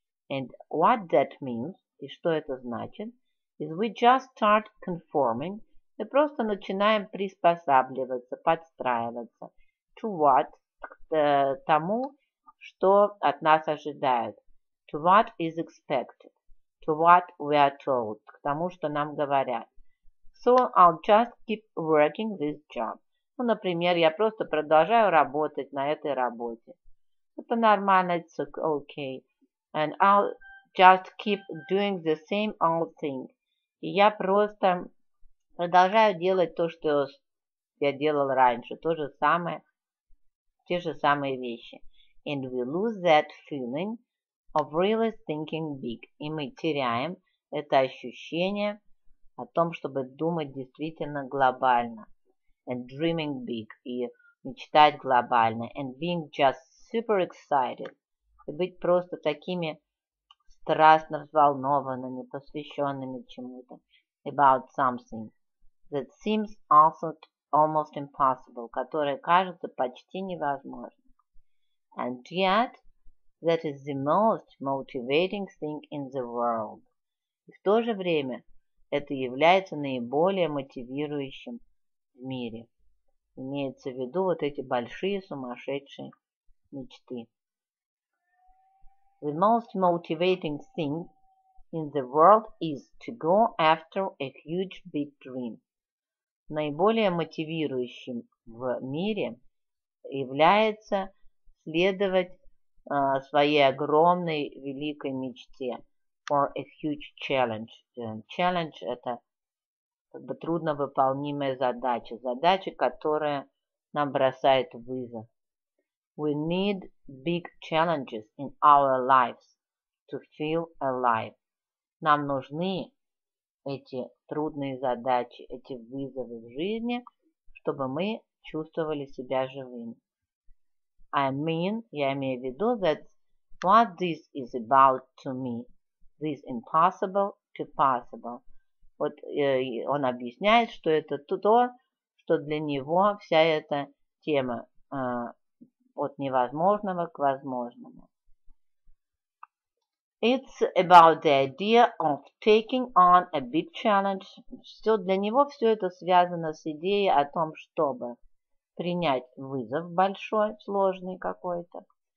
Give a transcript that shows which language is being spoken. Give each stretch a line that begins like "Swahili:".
English: And what that means,
Russian: и что это значит,
English: is we just start conforming,
Russian: мы просто начинаем приспосабливаться, подстраиваться
English: to what,
Russian: к тому, что от нас ожидают,
English: to what is expected, to what we are told,
Russian: к тому, что нам говорят.
English: So I'll just keep working this job.
Russian: Ну, например, я просто продолжаю работать на этой работе. Это нормально,
English: it's okay. And I'll just keep doing the same old thing.
Russian: И я просто продолжаю делать то, что я делал раньше. То же самое, те же самые вещи.
English: And we lose that feeling of really thinking big.
Russian: И мы теряем это ощущение о том, чтобы думать действительно глобально.
English: And dreaming big.
Russian: И мечтать глобально.
English: And being just super excited.
Russian: И быть просто такими страстно взволнованными, посвященными чему-то
English: about something that seems also almost impossible,
Russian: которое кажется почти невозможным.
English: And yet, that is the most motivating thing in the world.
Russian: И в то же время, это является наиболее мотивирующим в мире. Имеется в виду вот эти большие сумасшедшие мечты.
English: The most motivating thing in the world is to go after a huge big dream.
Russian: Наиболее мотивирующим в мире является следовать своей огромной великой мечте
English: or a huge challenge.
Russian: Challenge – это как бы трудновыполнимая задача, задача, которая нам бросает вызов.
English: We need big challenges in our lives to feel alive.
Russian: Нам нужны эти трудные задачи, эти вызовы в жизни, чтобы мы чувствовали себя живыми. Я имею в виду,
English: that what this is about to me, this impossible to possible.
Russian: Вот он объясняет, что это то, что для него вся эта тема от невозможного к возможному.
English: It's about the idea of taking on a big challenge.
Russian: Все, для него все это связано с идеей о том, чтобы принять вызов большой, сложный какой-то.